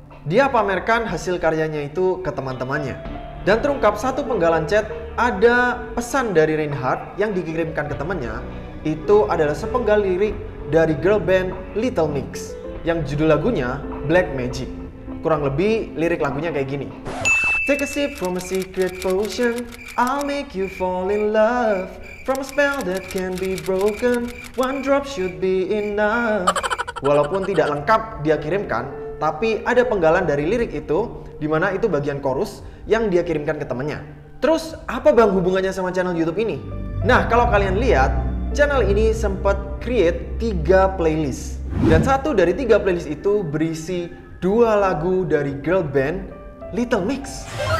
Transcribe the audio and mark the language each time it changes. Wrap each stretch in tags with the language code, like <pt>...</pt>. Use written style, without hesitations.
<id>Dia pamerkan hasil karyanya itu ke teman-temannya. Dan terungkap satu penggalan chat, ada pesan dari Reinhardt yang dikirimkan ke temannya, itu adalah sepenggal lirik dari girl band Little Mix yang judul lagunya Black Magic. Kurang lebih lirik lagunya kayak gini.</id> <en>Take a sip from a secret potion, I'll make you fall in love. From a spell that can be broken, one drop should be enough.</en> <id>Walaupun tidak lengkap dia kirimkan, tapi ada penggalan dari lirik itu, di mana itu bagian chorus yang dia kirimkan ke temannya. Terus, apa bang hubungannya sama channel YouTube ini? Nah, kalau kalian lihat, channel ini sempat create 3 playlist. Dan satu dari 3 playlist itu berisi 2 lagu dari girl band Little Mix.</id>